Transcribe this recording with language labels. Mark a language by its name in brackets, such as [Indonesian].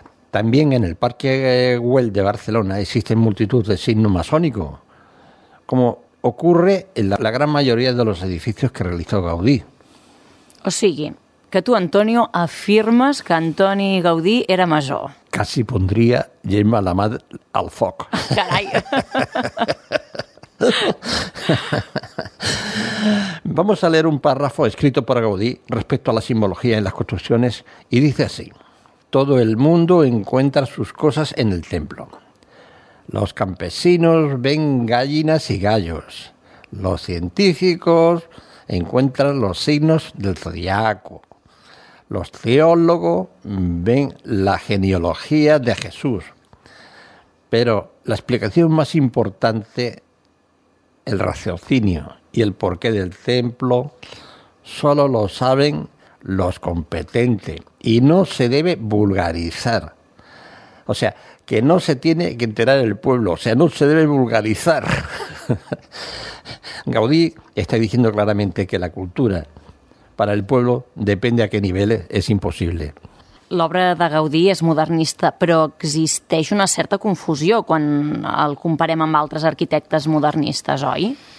[Spanish] También en el Parque Güell de Barcelona existen multitud de signos masónicos, como ocurre en la gran mayoría de los edificios que realizó Gaudí. [Catalan] O sigui, que tu, Antonio, afirmes que Antoni Gaudí era masó. Casi pondria llema la mà al foc. Carai! [Spanish] Vamos a leer un párrafo escrito por Gaudí respecto a la simbología en las construcciones y dice así: todo el mundo encuentra sus cosas en el templo. Los campesinos ven gallinas y gallos. Los científicos encuentran los signos del zodiaco. Los teólogos ven la genealogía de Jesús. Pero la explicación más importante, el raciocinio y el porqué del templo, solo lo saben los competentes y no se debe vulgarizar. O sea, que no se tiene que enterar el pueblo, o sea, no se debe vulgarizar. Gaudí está diciendo claramente que la cultura para el pueblo, depende a qué nivel, es imposible. [Catalan] L'obra de Gaudí és modernista, però existeix una certa confusió quan el comparem amb altres arquitectes modernistes, oi?